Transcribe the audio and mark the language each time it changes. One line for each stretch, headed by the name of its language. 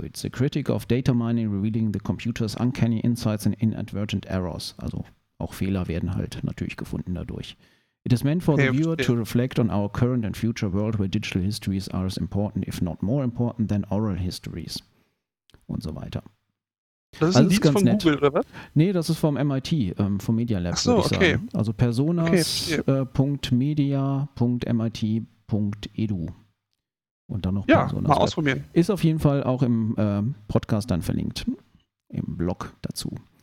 English: It's a critic of data mining revealing the computer's uncanny insights and inadvertent errors.
German: Also auch Fehler werden halt natürlich gefunden dadurch.
English: It is meant for the viewer to reflect on our current and future world where digital histories are as important, if not more important, than oral histories.
German: Und so weiter. Das ist also ein Dienst ganz von nett. Google, oder was? Nee, das ist vom MIT, vom Media Lab, würde ich sagen. Also personas.media.mit.edu. Und dann noch Personas. Ja, mal ausprobieren. Web. Ist auf jeden Fall auch im Podcast dann verlinkt. Im Blog dazu.